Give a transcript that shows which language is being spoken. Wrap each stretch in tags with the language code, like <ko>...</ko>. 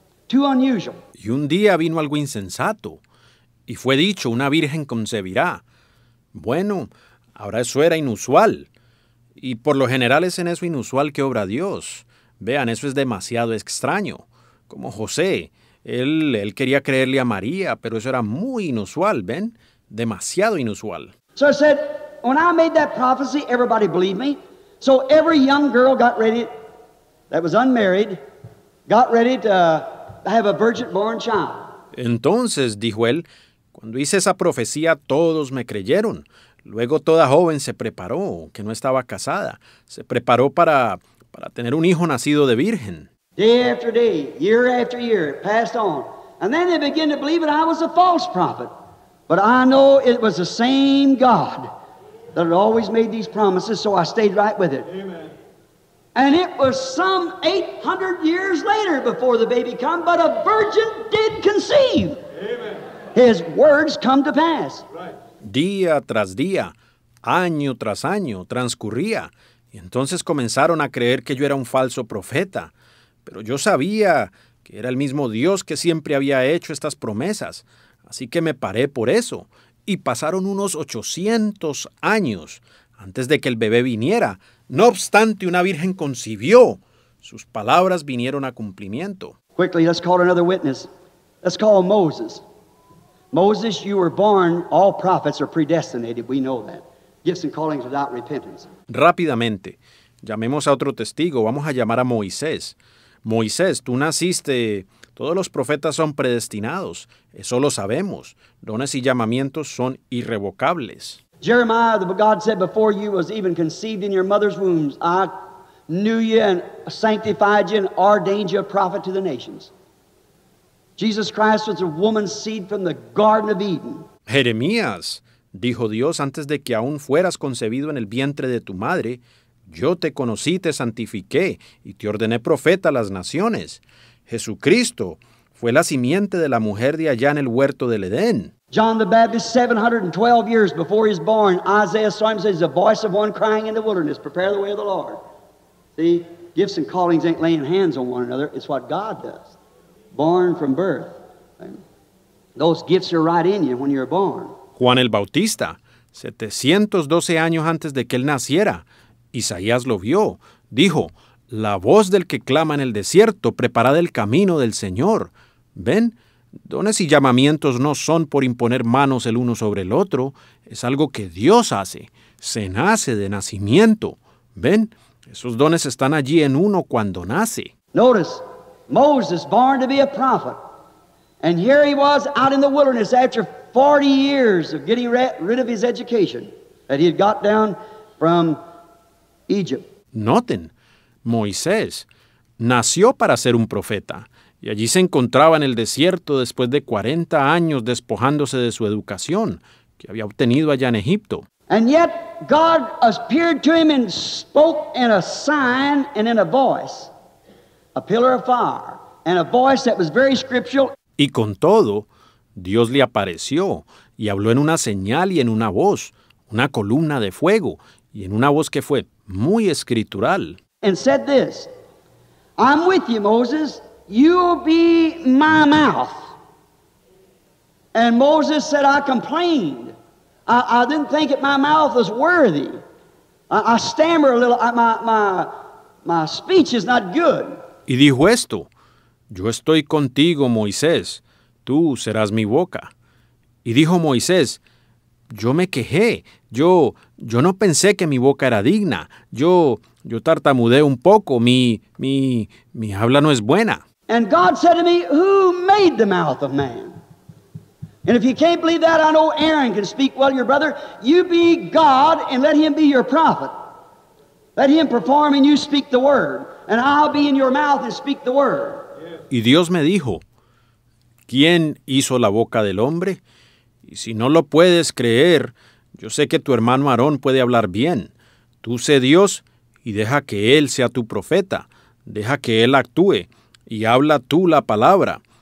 <en>Too unusual.</en> <es>Y un día vino algo insensato, y fue dicho, una virgen concebirá. Bueno, ahora eso era inusual. Y por lo general es en eso inusual que obra Dios. Vean, eso es demasiado extraño. Como José, él quería creerle a María, pero eso era muy inusual, ¿ven? Demasiado inusual.</es> <en>So I said, when I made that prophecy, everybody believed me. So every young girl got ready, that was unmarried, got ready to have a virgin-born child.</en> <es>Entonces, dijo él, cuando hice esa profecía, todos me creyeron. Luego toda joven se preparó, que no estaba casada. Se preparó para tener un hijo nacido de virgen.</es> <en>Day after day, year after year, it passed on. And then they began to believe that I was a false prophet. But I know it was the same God that had always made these promises, so I stayed right with it. Amen. And it was some 800 years later before the baby came, but a virgin did conceive. Amen. His words come to pass. Right.</en> <es>Día tras día, año tras año, transcurría. Y entonces comenzaron a creer que yo era un falso profeta. Pero yo sabía que era el mismo Dios que siempre había hecho estas promesas. Así que me paré por eso, y pasaron unos 800 años antes de que el bebé viniera. No obstante, una virgen concibió. Sus palabras vinieron a cumplimiento.</es> <en>Quickly, let's call another witness. Let's call Moses. Moses, you were born, all prophets are predestinated, we know that. Gifts and callings without repentance.</en> <es>Rápidamente, llamemos a otro testigo. Vamos a llamar a Moisés. Moisés, tú naciste... Todos los profetas son predestinados, eso lo sabemos. Dones y llamamientos son irrevocables.</es> <en>Jeremiah, God said before you was even conceived in your mother's womb, I knew you and sanctified you and ordained you a prophet to the nations. Jesus Christ was a woman's seed from the Garden of Eden.</en> <es>Jeremías, dijo Dios, antes de que aún fueras concebido en el vientre de tu madre, yo te conocí, te santifiqué y te ordené profeta a las naciones. Jesucristo fue la simiente de la mujer de allá en el huerto del Edén.</es> <en>John the Baptist, 712 years before he was born, Isaiah saw him and says, the voice of one crying in the wilderness, prepare the way of the Lord. See, gifts and callings ain't laying hands on one another. It's what God does. Born from birth. Those gifts are right in you when you're born.</en> <es>Juan el Bautista, 712 años antes de que él naciera, Isaías lo vio, dijo, la voz del que clama en el desierto, preparad el camino del Señor. ¿Ven? Dones y llamamientos no son por imponer manos el uno sobre el otro. Es algo que Dios hace. Se nace de nacimiento. ¿Ven? Esos dones están allí en uno cuando nace.</es> <en>Notice, Moses, born to be a prophet. And here he was out in the wilderness after 40 years of getting rid of his education that he had got down from Egypt.</en> <es>Noten. Moisés nació para ser un profeta, y allí se encontraba en el desierto después de 40 años despojándose de su educación que había obtenido allá en Egipto.</es> <en>And yet God appeared to him and spoke in a sign and in a voice, a pillar of fire, and a voice that was very scriptural.</en> <es>Y con todo, Dios le apareció y habló en una señal y en una voz, una columna de fuego, y en una voz que fue muy escritural.</es> <en>And said this, I'm with you, Moses. You'll be my mouth. And Moses said, I complained. I didn't think that my mouth was worthy. I stammer a little. My speech is not good.</en> <es>Y dijo esto, yo estoy contigo, Moisés. Tú serás mi boca. Y dijo Moisés, yo me quejé. Yo no pensé que mi boca era digna. Yo tartamudeé un poco. Mi habla no es buena.</es> <en>And God said to me, who made the mouth of man? And if you can't believe that, I know Aaron can speak well, your brother. You be God and let him be your prophet. Let him perform and you speak the word. And I'll be in your mouth and speak the word.</en> <es>Y Dios me dijo, ¿quién hizo la boca del hombre? Y si no lo puedes creer, yo sé que tu hermano Aarón puede hablar bien. Tú sé Dios y deja que él sea tu profeta. Deja que él actúe y habla tú la palabra.</es>